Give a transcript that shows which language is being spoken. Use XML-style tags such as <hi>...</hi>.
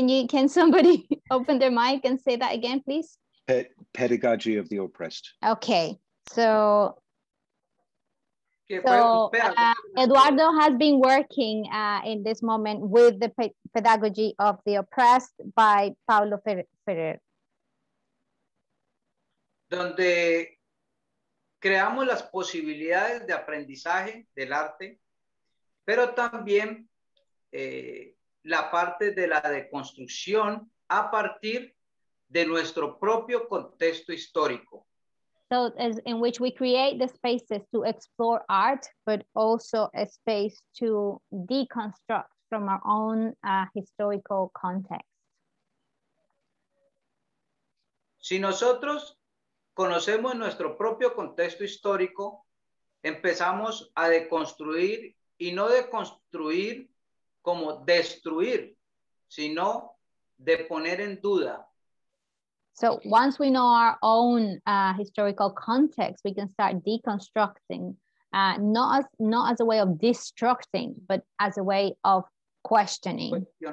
<en>Can somebody open their mic and say that again, please? Pedagogy of the oppressed. Okay, so. So Eduardo has been working in this moment with the pedagogy of the oppressed by Paulo Freire.</en> <es>Donde creamos las posibilidades de aprendizaje del arte, pero también la parte de la deconstrucción a partir de nuestro propio contexto histórico.</es> <en>So as in which we create the spaces to explore art, but also a space to deconstruct from our own historical context.</en> <es>Si nosotros conocemos nuestro propio contexto histórico, empezamos a deconstruir y no deconstruir como destruir, sino de poner en duda.</es> <en>So once we know our own historical context, we can start deconstructing, not as a way of destructing, but as a way of questioning.</en>